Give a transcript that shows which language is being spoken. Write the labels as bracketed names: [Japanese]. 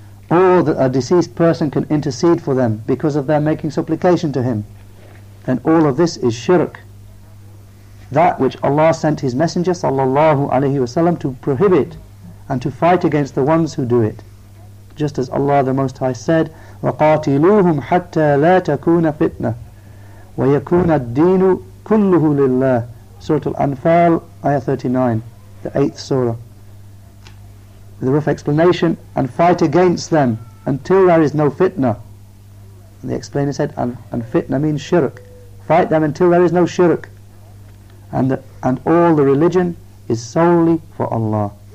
[English] Or that a deceased person can intercede for them because of their making supplication to him. Then all of this is shirk, that which Allah sent his Messenger sallallahu alayhi wasallam to prohibit and to fight against the ones who do it. Just as Allah the Most High said, [Arabic] وَقَاتِلُوهُمْ حَتَّى لَا تَكُونَ فِتْنَةً وَيَكُونَ الدِّينُ كُلُّهُ لِلَّهِ. [English] Surah Al-Anfal, Ayah 39, the 8th Surah. With a rough explanation, and fight against them until there is no fitna. And the explainer said, and fitna means shirk. Fight them until there is no shirk. and all the religion is solely for Allah.